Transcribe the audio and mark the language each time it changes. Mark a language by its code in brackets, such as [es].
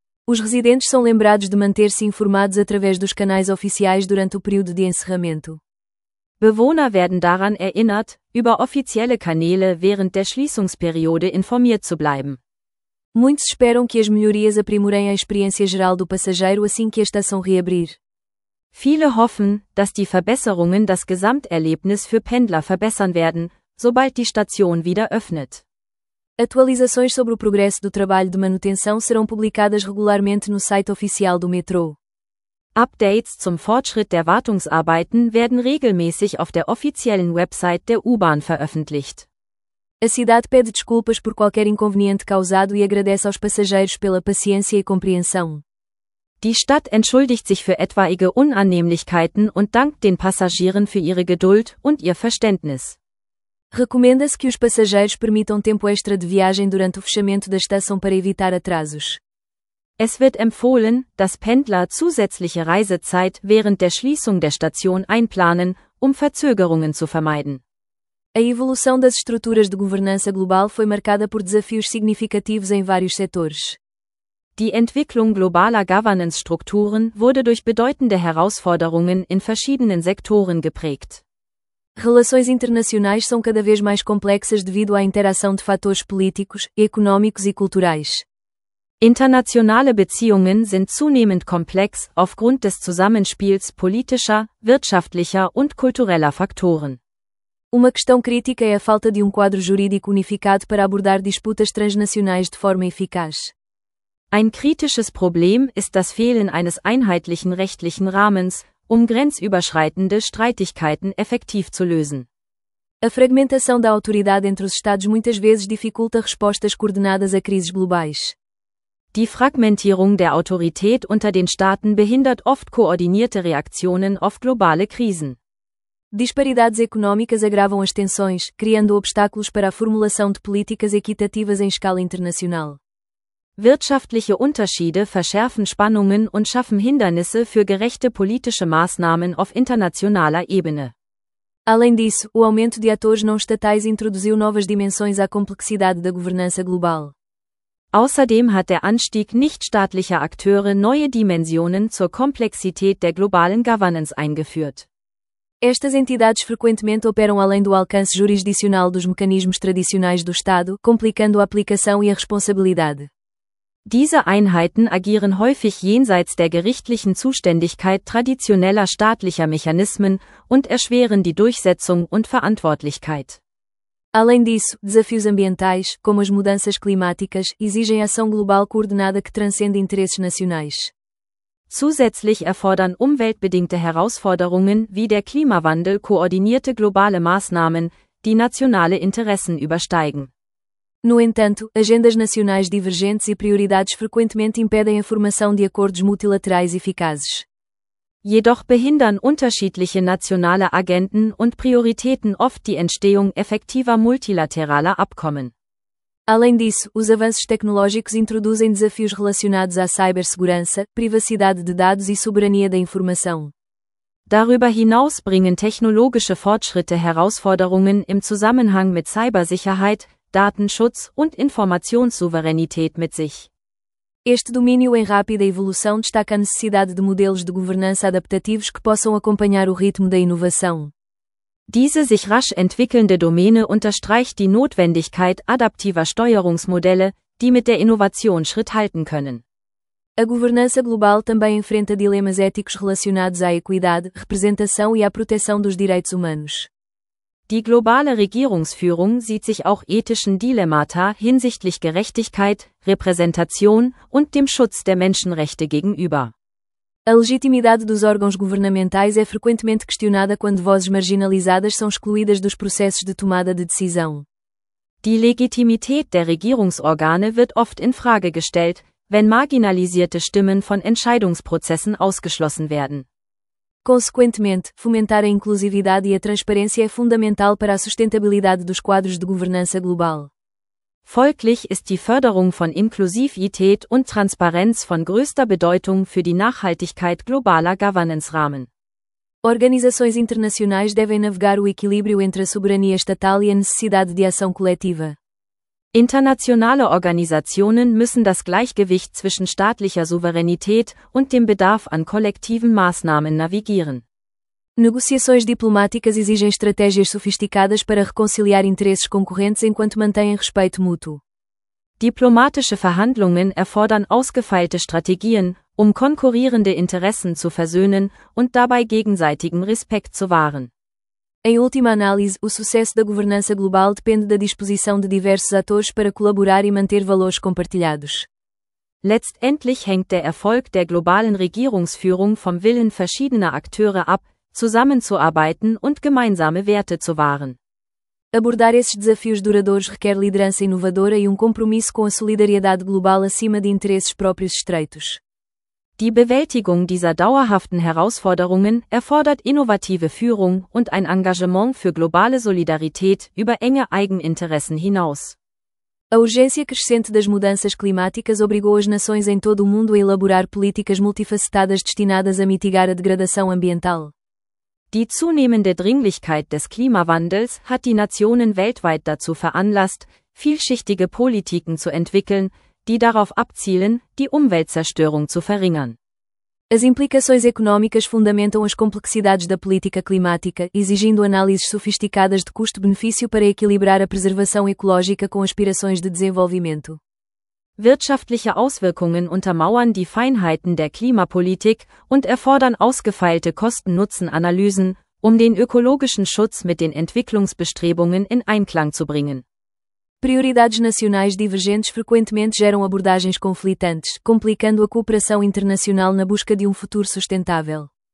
[pt] Os residentes são lembrados de manter-se informados através dos canais oficiais durante o período de encerramento. [de] Bewohner werden daran erinnert, über offizielle Kanäle während der Schließungsperiode informiert zu bleiben. [pt] Muitos esperam que as melhorias aprimorem a experiência geral do passageiro assim que a estação reabrir. [de] Viele hoffen, dass die Verbesserungen das Gesamterlebnis für Pendler verbessern werden, sobald die Station wieder öffnet. [pt] Atualizações sobre o progresso do trabalho de manutenção serão publicadas regularmente no site oficial do metrô. [de] Updates zum Fortschritt der Wartungsarbeiten werden regelmäßig auf der offiziellen Website der U-Bahn veröffentlicht. [pt] A cidade pede desculpas por qualquer inconveniente causado e agradece aos passageiros pela paciência e compreensão. [de] Die Stadt entschuldigt sich für etwaige Unannehmlichkeiten und dankt den Passagieren für ihre Geduld und ihr Verständnis. [pt] Recomenda-se que os passageiros permitam tempo extra de viagem durante o fechamento da estação para evitar atrasos. [de] Es wird empfohlen, dass Pendler zusätzliche Reisezeit während der Schließung der Station einplanen, um Verzögerungen zu vermeiden. [pt] A evolução das estruturas de governança global foi marcada por desafios significativos em vários setores. [de] Die Entwicklung globaler Governance-Strukturen wurde durch bedeutende Herausforderungen in verschiedenen Sektoren geprägt. [pt] Relações internacionais são cada vez mais complexas devido à interação de fatores políticos, econômicos e culturais. [de] Internationale Beziehungen sind zunehmend komplex aufgrund des Zusammenspiels politischer, wirtschaftlicher und kultureller Faktoren. [pt] Uma questão crítica é a falta de quadro jurídico unificado para abordar disputas transnacionais de forma eficaz. [de] Ein kritisches Problem ist das Fehlen eines einheitlichen rechtlichen Rahmens, um grenzüberschreitende Streitigkeiten effektiv zu lösen. [pt] A fragmentação da autoridade entre os Estados muitas vezes dificulta respostas coordenadas a crises globais. [de] Die Fragmentierung der Autorität unter den Staaten behindert oft koordinierte Reaktionen auf globale Krisen. [pt] Disparidades econômicas agravam as tensões, criando obstáculos para a formulação de políticas equitativas em escala internacional. [de] Wirtschaftliche Unterschiede verschärfen Spannungen und schaffen Hindernisse für gerechte politische Maßnahmen auf internationaler Ebene. [pt] Além disso, o aumento de atores não estatais introduziu novas dimensões à complexidade da governança global. [de] Außerdem hat der Anstieg nichtstaatlicher Akteure neue Dimensionen zur Komplexität der globalen Governance eingeführt. [pt] Estas entidades frequentemente operam além do alcance jurisdicional dos mecanismos tradicionais do Estado, complicando a aplicação e a responsabilidade. [de] Diese Einheiten agieren häufig jenseits der gerichtlichen Zuständigkeit traditioneller staatlicher Mechanismen und erschweren die Durchsetzung und Verantwortlichkeit. [pt] Além disso, desafios ambientais, como as mudanças climáticas, exigem ação global coordenada que transcende interesses nacionais. [de] Zusätzlich erfordern umweltbedingte Herausforderungen wie der Klimawandel koordinierte globale Maßnahmen, die nationale Interessen übersteigen. [pt] No entanto, agendas nacionais divergentes e prioridades frequentemente impedem a formação de acordos multilaterais eficazes. [de] Jedoch behindern unterschiedliche nationale Agenden und Prioritäten oft die Entstehung effektiver multilateraler Abkommen. [pt] Além disso, os avanços tecnológicos introduzem desafios relacionados à cibersegurança, privacidade de dados e soberania da informação. [de] Darüber hinaus bringen technologische Fortschritte Herausforderungen im Zusammenhang mit Cybersicherheit, Datenschutz und Informationssouveränität mit sich. [pt] Este domínio em rápida evolução destaca a necessidade de modelos de governança adaptativos que possam acompanhar o ritmo da inovação. [de] Diese sich rasch entwickelnde Domäne unterstreicht die Notwendigkeit adaptiver Steuerungsmodelle, die mit der Innovation Schritt halten können. [pt] A governança global também enfrenta dilemas éticos relacionados à equidade, representação e à proteção dos direitos humanos. [de] Die globale Regierungsführung sieht sich auch ethischen Dilemmata hinsichtlich Gerechtigkeit, Repräsentation und dem Schutz der Menschenrechte gegenüber. [pt] A legitimidade dos órgãos governamentais é frequentemente questionada quando vozes marginalizadas são excluídas dos processos de tomada de decisão. [de] Die Legitimität der Regierungsorgane wird oft in Frage gestellt, wenn marginalisierte Stimmen von Entscheidungsprozessen ausgeschlossen werden. [pt] Consequentemente, fomentar a inclusividade e a transparência é fundamental para a sustentabilidade dos quadros de governança global. [de] Folglich ist die Förderung von Inklusivität und Transparenz von größter Bedeutung für die Nachhaltigkeit globaler Governance-Rahmen. [pt] Organizações internacionais devem navegar o equilíbrio entre a soberania estatal e a necessidade de ação coletiva. [de] Internationale Organisationen müssen das Gleichgewicht zwischen staatlicher Souveränität und dem Bedarf an kollektiven Maßnahmen navigieren. [pt] Negociações diplomáticas exigem estratégias sofisticadas para reconciliar interesses concorrentes enquanto mantêm respeito mútuo. [de] Diplomatische Verhandlungen erfordern ausgefeilte Strategien, um konkurrierende Interessen zu versöhnen und dabei gegenseitigen Respekt zu wahren. [pt] Em última análise, o sucesso da governança global depende da disposição de diversos atores para colaborar e manter valores compartilhados. [de] Letztendlich hängt der Erfolg der globalen Regierungsführung vom Willen verschiedener Akteure ab, zusammenzuarbeiten und gemeinsame Werte zu wahren. [pt] Abordar esses desafios duradouros requer liderança inovadora e compromisso com a solidariedade global acima de interesses próprios estreitos. [de] Die Bewältigung dieser dauerhaften Herausforderungen erfordert innovative Führung und ein Engagement für globale Solidarität über enge Eigeninteressen hinaus. [pt] A urgência crescente das mudanças climáticas obrigou as nações em todo o mundo a elaborar políticas multifacetadas destinadas a mitigar a degradação ambiental. [de] Die zunehmende Dringlichkeit des Klimawandels hat die Nationen weltweit dazu veranlasst, vielschichtige Politiken zu entwickeln, die darauf abzielen, die Umweltzerstörung zu verringern. [pt] As implicações económicas fundamentam as complexidades da política climática, exigindo análises sofisticadas de custo-benefício para equilibrar a preservação ecológica com aspirações de desenvolvimento. [de] Wirtschaftliche Auswirkungen untermauern die Feinheiten der Klimapolitik und erfordern ausgefeilte Kosten-Nutzen-Analysen, um den ökologischen Schutz mit den Entwicklungsbestrebungen in Einklang zu bringen. [pt] Prioridades nacionais divergentes frequentemente geram abordagens conflitantes, complicando a cooperação internacional na busca de futuro sustentável.